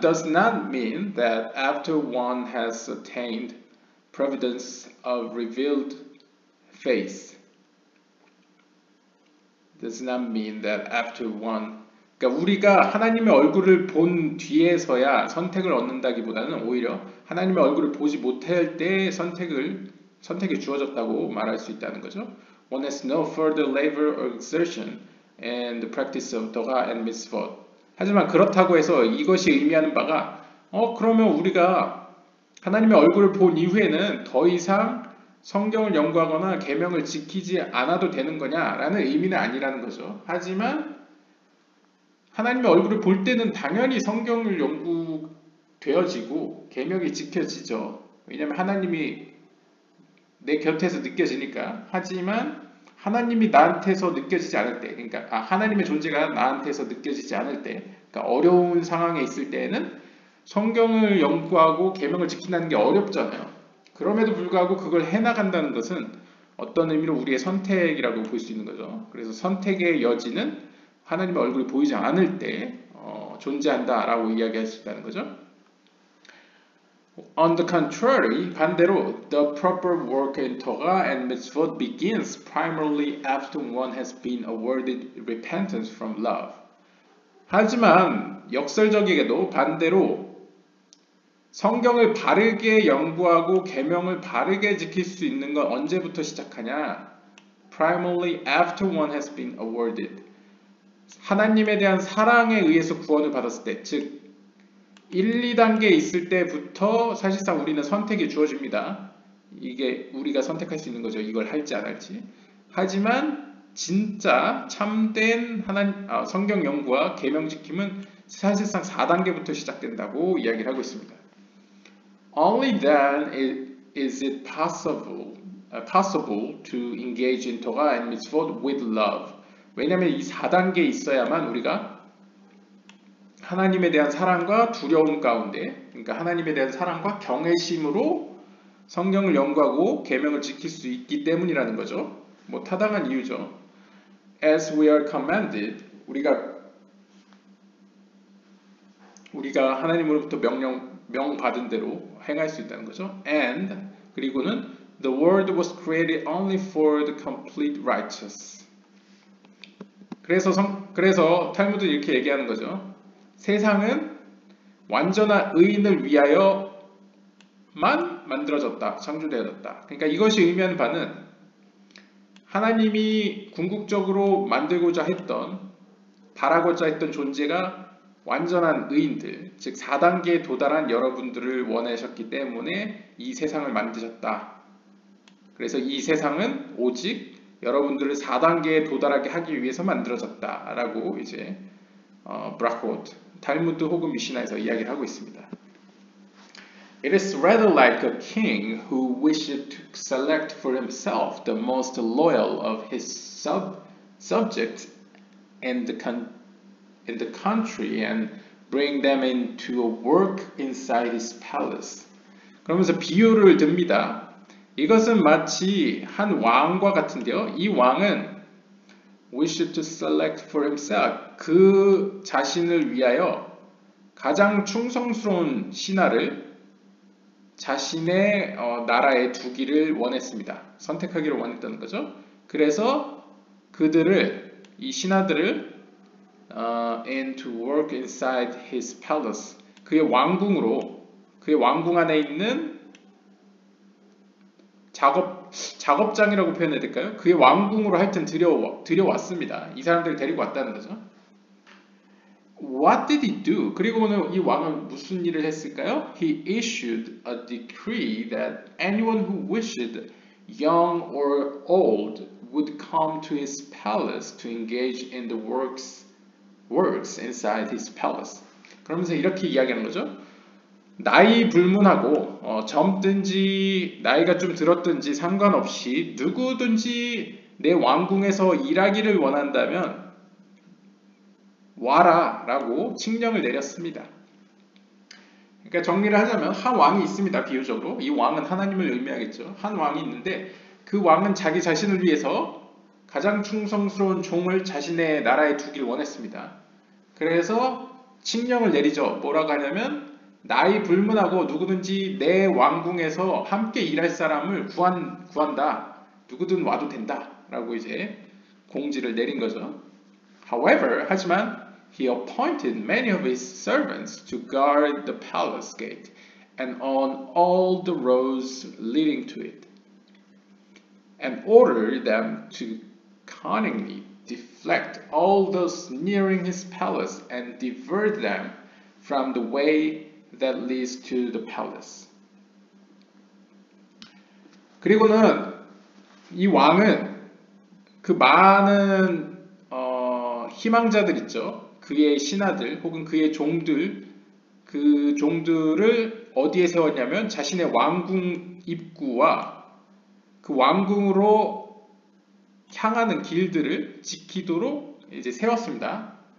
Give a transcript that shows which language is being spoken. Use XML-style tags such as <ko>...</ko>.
<en>does not mean that after one has attained providence of revealed faith. Does not mean that after one.</en> <ko>그러니까 우리가 하나님의 얼굴을 본 뒤에서야 선택을 얻는다기보다는 오히려 하나님의 얼굴을 보지 못할 때 선택이 주어졌다고 말할 수 있다는 거죠.</ko> <en>One has no further labor or exertion in the practice of Torah and Mitzvot.</en> <ko>하지만 그렇다고 해서 이것이 의미하는 바가 그러면 우리가 하나님의 얼굴을 본 이후에는 더 이상 성경을 연구하거나 계명을 지키지 않아도 되는 거냐라는 의미는 아니라는 거죠. 하지만 하나님의 얼굴을 볼 때는 당연히 성경을 연구되어지고 계명이 지켜지죠. 왜냐하면 하나님이 내 곁에서 느껴지니까. 하지만 하나님이 나한테서 느껴지지 않을 때, 그러니까 하나님의 존재가 나한테서 느껴지지 않을 때, 그러니까 어려운 상황에 있을 때에는 성경을 연구하고 계명을 지킨다는 게 어렵잖아요. 그럼에도 불구하고 그걸 해나간다는 것은 어떤 의미로 우리의 선택이라고 볼 수 있는 거죠. 그래서 선택의 여지는 하나님의 얼굴이 보이지 않을 때 존재한다라고 이야기할 수 있다는 거죠.</ko> <en>On the contrary,</en> <ko>반대로</ko> <en>the proper work in Torah and Mitzvot begins primarily after one has been awarded repentance from love.</en> <ko>하지만 역설적이게도 반대로 성경을 바르게 연구하고 계명을 바르게 지킬 수 있는 건 언제부터 시작하냐?</ko> <en>Primarily after one has been awarded.</en> <ko>하나님에 대한 사랑에 의해서 구원을 받았을 때, 즉 1, 2단계 있을 때부터 사실상 우리는 선택이 주어집니다. 이게 우리가 선택할 수 있는 거죠. 이걸 할지 안 할지. 하지만 진짜 참된 성경 연구와 계명 지킴은 사실상 4단계부터 시작된다고 이야기를 하고 있습니다.</ko> <en>Only then is it possible to engage in Torah and Mitzvot with love.</en> <ko>왜냐하면 이 4단계에 있어야만 우리가 하나님에 대한 사랑과 두려움 가운데, 그러니까 하나님에 대한 사랑과 경외심으로 성경을 연구하고 계명을 지킬 수 있기 때문이라는 거죠. 뭐 타당한 이유죠.</ko> <en>As we are commanded,</en> <ko>우리가 하나님으로부터 명 받은 대로 행할 수 있다는 거죠.</ko> <en>And</en> <ko>그리고는</ko> <en>the world was created only for the complete righteous.</en> <ko>그래서 탈무드 이렇게 얘기하는 거죠. 세상은 완전한 의인을 위하여만 만들어졌다, 창조되어졌다. 그러니까 이것이 의미하는 바는 하나님이 궁극적으로 만들고자 했던, 바라고자 했던 존재가 완전한 의인들, 즉 4단계에 도달한 여러분들을 원하셨기 때문에 이 세상을 만드셨다. 그래서 이 세상은 오직 여러분들을 4단계에 도달하게 하기 위해서 만들어졌다 라고 이제 브라코트 탈무드 혹은 미시나에서 이야기를 하고 있습니다.</ko> <en>It is rather like a king who wishes to select for himself the most loyal of his subjects in the country and bring them into a work inside his palace.</en> <ko>그러면서 비유를 듭니다. 이것은 마치 한 왕과 같은데요. 이 왕은</ko> <en>wished to select for himself</en> <ko>그 자신을 위하여 가장 충성스러운 신하를 자신의 나라에 두기를 원했습니다. 선택하기를 원했다는 거죠. 그래서 그들을, 이 신하들을</ko> <en>and to work inside his palace</en> <ko>그의 왕궁 안에 있는 작업장이라고 표현해야 될까요? 그의 왕궁으로 하여튼 들여왔습니다. 이 사람들을 데리고 왔다는 거죠.</ko> <en>What did he do?</en> <ko>그리고는 이 왕은 무슨 일을 했을까요?</ko> <en>He issued a decree that anyone who wished, young or old, would come to his palace to engage in the works inside his palace.</en> <ko>그러면서 이렇게 이야기하는 거죠. 나이 불문하고 젊든지 나이가 좀 들었든지 상관없이 누구든지 내 왕궁에서 일하기를 원한다면 와라 라고 칙령을 내렸습니다. 그러니까 정리를 하자면 한 왕이 있습니다. 비유적으로 이 왕은 하나님을 의미하겠죠. 한 왕이 있는데 그 왕은 자기 자신을 위해서 가장 충성스러운 종을 자신의 나라에 두길 원했습니다. 그래서 칙령을 내리죠. 뭐라고 하냐면 나이 불문하고 누구든지 내 왕궁에서 함께 일할 사람을 구한다. 누구든 와도 된다. 라고 이제 공지를 내린 거죠.</ko> <en>However,</en> <ko>하지만</ko> <en>he appointed many of his servants to guard the palace gate and on all the roads leading to it and ordered them to cunningly deflect all those nearing his palace and divert them from the way that leads to the palace.</en> <ko>그리고는 이 왕은 그 많은 희망자들 있죠. 그의 신하들 혹은 그의 종들 그 종들을 어디에 세웠냐면 자신의 왕궁 입구와 그 왕궁으로 향하는 길들을 지키도록 이제 세웠습니다.</ko>